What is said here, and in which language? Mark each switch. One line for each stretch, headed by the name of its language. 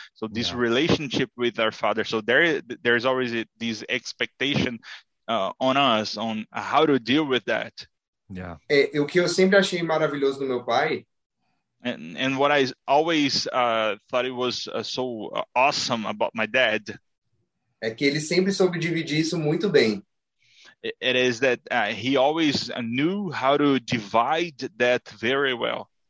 English: So this relationship with our father. So there's always this expectation on us on how to deal with that. Yeah.
Portuguese: O que eu sempre achei maravilhoso no meu pai.
English: And what I always thought it was so awesome about my dad.
Portuguese: É que ele sempre soube dividir isso muito bem.
English: It is that he always knew how to divide that very well.